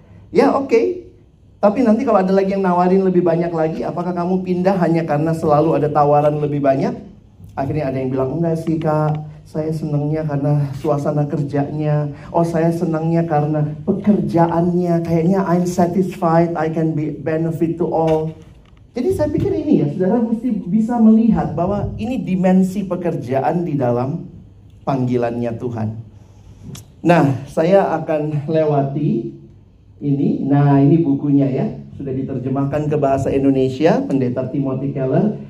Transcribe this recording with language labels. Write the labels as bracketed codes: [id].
[id] Ya oke, tapi nanti kalau ada lagi yang nawarin lebih banyak lagi, apakah kamu pindah hanya karena selalu ada tawaran lebih banyak? Akhirnya ada yang bilang, enggak sih kak, saya senangnya karena suasana kerjanya. Oh, saya senangnya karena pekerjaannya. Kayaknya [en] I'm satisfied, I can be benefit to all. [id] Jadi saya pikir ini ya, saudara mesti bisa melihat bahwa ini dimensi pekerjaan di dalam panggilannya Tuhan. Nah, saya akan lewati ini, nah ini bukunya ya, sudah diterjemahkan ke bahasa Indonesia, Pendeta Timothy Keller.